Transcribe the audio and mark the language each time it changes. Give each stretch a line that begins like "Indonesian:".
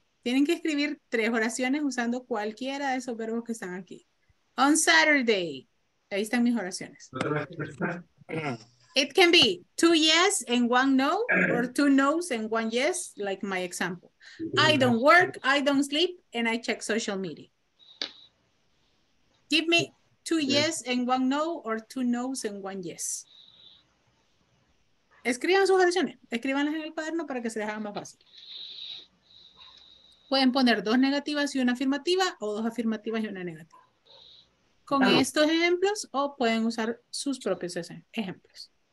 Spanish: Tienen que escribir 3 oraciones usando cualquiera de esos verbos que están aquí.
English: On Saturday.
Spanish: Ahí están mis oraciones.
English: It can be 2 yes and 1 no, or 2 no's and 1 yes, like my example. I don't work, I don't sleep, and I check social media. Give me 2 yes and 1 no, or 2 no's and 1 yes.
Spanish: Escriban sus oraciones. Escríbanlas en el cuaderno para que se les haga más fácil. Pueden poner 2 negativas y 1 afirmativa, o 2 afirmativas y 1 negativa. Con estos ejemplos, o pueden usar sus propios ejemplos.